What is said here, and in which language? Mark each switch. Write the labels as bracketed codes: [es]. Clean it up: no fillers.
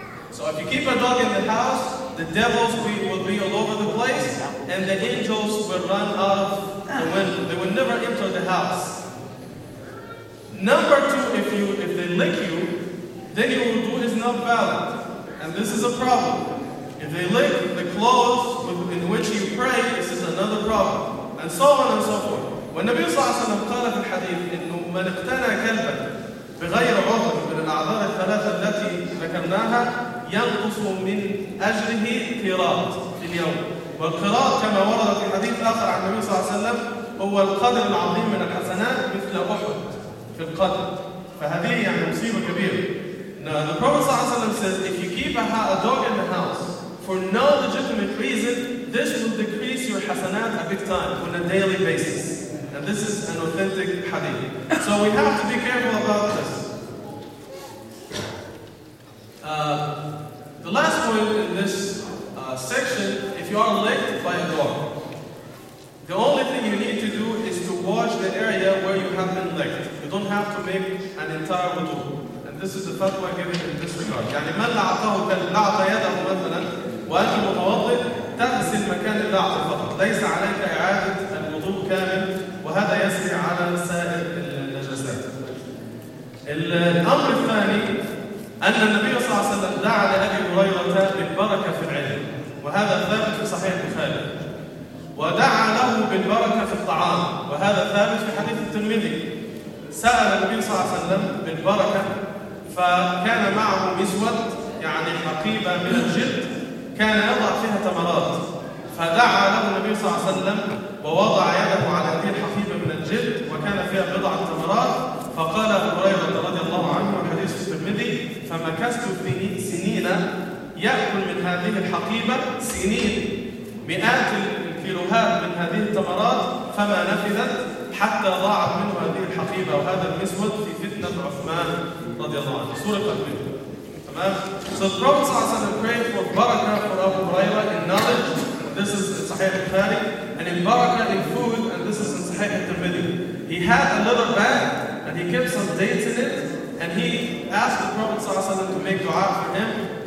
[en] So if you keep a dog in the house, the devils will be all over the place, and the angels will run out of the window. They will never enter the house. Number two, if they lick you, then your wudu is not valid. And this is a problem. If they lick the clothes in which you pray, this is another problem. And so on and so forth. When Nabi Sallallahu Alaihi Wasallam said in the hadith, [ar] إِنُّ مَنْ اِقْتَنَى كَلْبًا بِغَيْرَ عُضْرٍ مِنَ الْأَعْضَارِ الثَّلَاثَ الَّتِي ذَكَرْنَاهَا يَنْقُصُ مِنْ أَجْرِهِ قِرَاط في اليوم. والقِرَاط كما ورد في حديث آخر عن النبي صلى الله عليه وسلم هو القدر العظيم من الحسنات مثل أحد في القدر. فهذه يعني مصيبة كبيرة. [en] Now, the Prophet ﷺ says, if you keep a dog in the house for no legitimate reason, this will decrease your hasanat a big time on a daily basis. And this is an authentic hadith. So we have to be careful about this. The last point in this section, if you are licked by a dog, the only thing you need to do is to wash the area where you have been licked. You don't have to make an entire wudu. This is the fatwa given in this regard. [ar] يعني من لعقه كالعق يده مثلا وأنت متوضئ تغسل مكان اللعق فقط، ليس عليك إعادة الوضوء كامل، وهذا يسري على سائر النجاسات. الأمر الثاني أن النبي صلى الله عليه وسلم دعا لأبي هريرة بالبركة في العلم، وهذا ثابت في صحيح البخاري. ودعا له بالبركة في الطعام، وهذا ثابت في حديث الترمذي. سأل النبي صلى الله عليه وسلم بالبركة فكان معه مسود يعني حقيبة من الجلد كان يضع فيها تمرات، فدعا له النبي صلى الله عليه وسلم ووضع يده على هذه الحقيبة من الجلد وكان فيها بضع تمرات، فقال أبو هريرة رضي الله عنه الحديث الترمذي فمكثت في سنين يأكل من هذه الحقيبة سنين مئات الكيلوهات من هذه التمرات فما نفذت حتى ضاعت منه هذه الحقيبة وهذا المسود في فتنة عثمان رضي الله عنه. سورة تمام. [en] So the Prophet [ar] صلى الله عليه وسلم [en] prayed for baraka for Abu Huraira in knowledge. This is in Sahih al-Bukhari. And in baraka in food. And this is in Sahih al-Tirmidhi. He had a leather bag and he kept some dates in it. And he asked the Prophet [ar] صلى الله عليه وسلم [en] to make dua for him.